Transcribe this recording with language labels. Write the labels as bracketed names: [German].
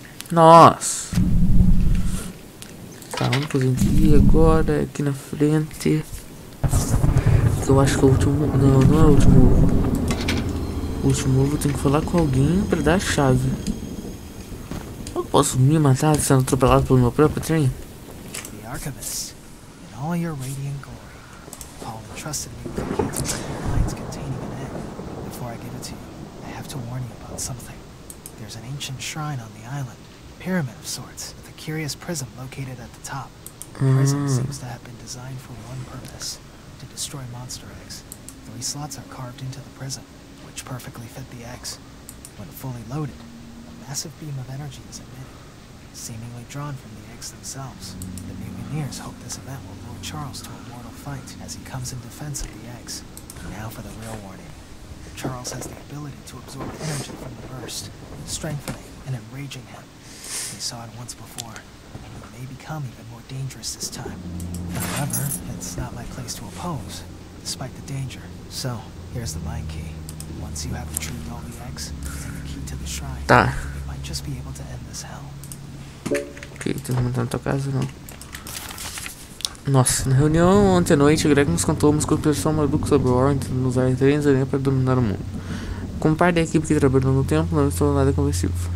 [Portuguese] Nossa. Tá, vamos fazer aqui agora, aqui na frente. Eu acho que é o último. Não, não é o último ovo. O último ovo tem que falar com alguém pra dar a chave. Eu posso me matar sendo atropelado pelo meu próprio trem? [English] The Archivist, in all your radiant glory, Paul entrusted me with a key to the lines containing an egg. Before I give it to you, I have to warn you about something. There's an ancient shrine on the island, a pyramid of sorts. Curious prism located at the top. The prism seems to have been designed for one purpose, to destroy monster eggs. Three slots are carved into the prism, which perfectly fit the eggs. When fully loaded, a massive beam of energy is emitted, seemingly drawn from the eggs themselves. The mutineers hope this event will lure Charles to a mortal fight as he comes in defense of the eggs. Now for the real warning. Charles has the ability to absorb energy from the burst, strengthening and enraging him. They saw it once before, and it may become even more dangerous this time. However, it's not my place to oppose, despite the danger. So, here's the mind key. Once you have retrieved all the eggs, take the key to the shrine. [Portuguese] Tá. [English] You might just be able to end this hell. [Portuguese] Okay, tô montando na tua casa, não. Nossa, na reunião ontem à noite, Greg nos contou uma conspiração maluca sobre o Warren tentando usar três aranhas para dominar o mundo. Como parte da equipe que trabalhou no tempo, não estou nada convencido.